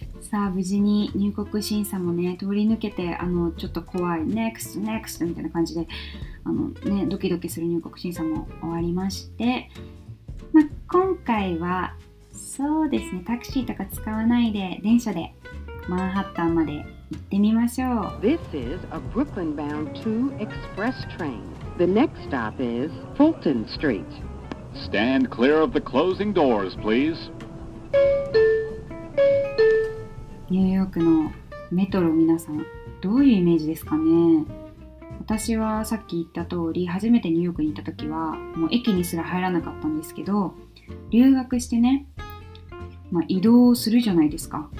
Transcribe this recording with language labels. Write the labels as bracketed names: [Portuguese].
[Japanese] さあ無事に入国審査もね、通り抜けて、あのちょっと怖い NEXT NEXT みたいな感じで、あのね、ドキドキする入国審査も終わりまして、ま、今回はそうですね、タクシーとか使わないで電車でマンハッタンまで行ってみましょう。 [English] This is a Brooklyn bound 2 express train. The next stop is Fulton Street. Stand clear of the closing doors, please. [Japanese] ニューヨークのメトロ、皆さんどういうイメージですかね。私はさっき言った通り、初めてニューヨークに行った時はもう駅にすら入らなかったんですけど、留学してね、まあ、移動するじゃないですか。